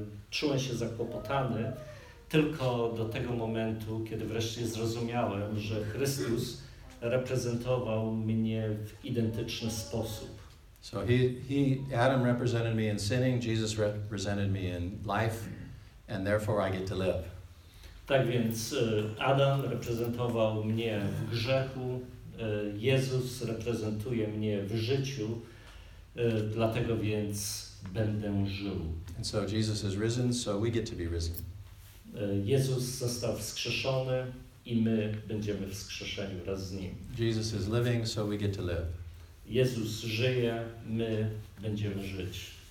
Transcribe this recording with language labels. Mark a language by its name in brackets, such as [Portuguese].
[Polish] Czułem się zakłopotany tylko do tego momentu, kiedy wreszcie zrozumiałem, że Chrystus reprezentował mnie w identyczny sposób. [English] So he Adam represented me in sinning, Jesus represented me in life, and therefore I get to live. [Polish] Tak więc Adam reprezentował mnie w grzechu, Jezus reprezentuje mnie w życiu, dlatego więc będę żył. [English] And so Jesus is risen, so we get to be risen. [Polish] Jezus został wskrzeszony i my będziemy wskrzeszeni wraz z Nim. [English] Jesus is living, so we get to live. [Polish] Jezus żyje, my będziemy żyć.